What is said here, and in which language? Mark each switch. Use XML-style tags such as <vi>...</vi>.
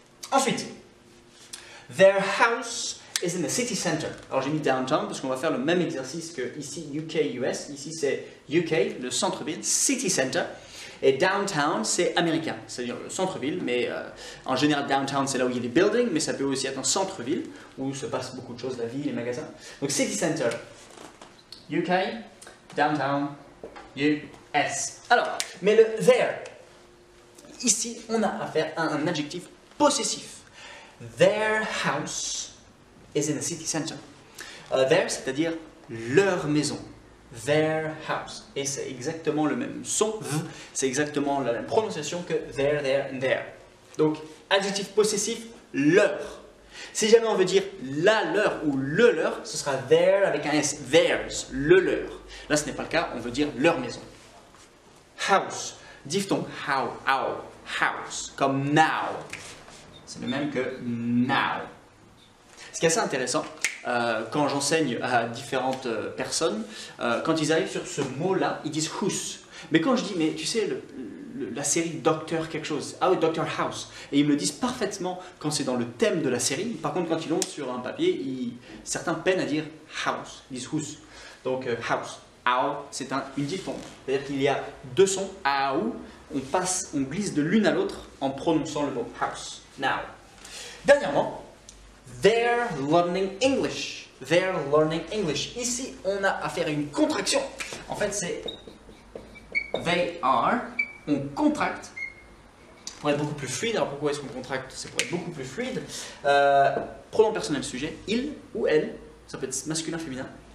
<en>Ensuite, their house is in the city center.</en> <fr>Alors j'ai mis downtown parce qu'on va faire le même exercice que ici, UK, US. Ici c'est UK, le centre-ville, city center. Et downtown, c'est américain, c'est-à-dire le centre-ville, mais en général, downtown, c'est là où il y a des buildings, mais ça peut aussi être un centre-ville, où se passe beaucoup de choses, la ville, les magasins. Donc, city center, UK, downtown, US. Alors, mais le there, ici, on a affaire à un adjectif possessif.</fr> <en>Their house is in the city center.</en> <fr>There, c'est-à-dire leur maison.</fr> <en>Their house.</en> <fr>Et c'est exactement le même son, c'est exactement la même prononciation que there, there, and there. Donc, adjectif possessif, leur. Si jamais on veut dire la leur ou le leur, ce sera there avec un S, theirs, le leur. Là, ce n'est pas le cas, on veut dire leur maison. House, diphtongue, how, how, house, comme now. C'est le même que now. Ce qui est assez intéressant, quand j'enseigne à différentes personnes, quand ils arrivent sur ce mot-là, ils disent « whose ». Mais quand je dis « mais tu sais, la série Docteur quelque chose, ah oui, Docteur House », et ils me le disent parfaitement quand c'est dans le thème de la série, par contre quand ils l'ont sur un papier, certains peinent à dire « house », ils disent « whose ». Donc « house »,« how », c'est une diphtongue. C'est-à-dire qu'il y a deux sons, « how », on glisse de l'une à l'autre en prononçant le mot « house »,« now ».</fr> <en>Dernièrement, they're learning English. They're learning English.</en> <fr>Ici, on a affaire à une contraction. En fait, c'est they are. On contracte pour être beaucoup plus fluide. Alors pourquoi est-ce qu'on contracte? C'est pour être beaucoup plus fluide. Pronom personnel sujet, il ou elle, ça peut être masculin, féminin.</fr>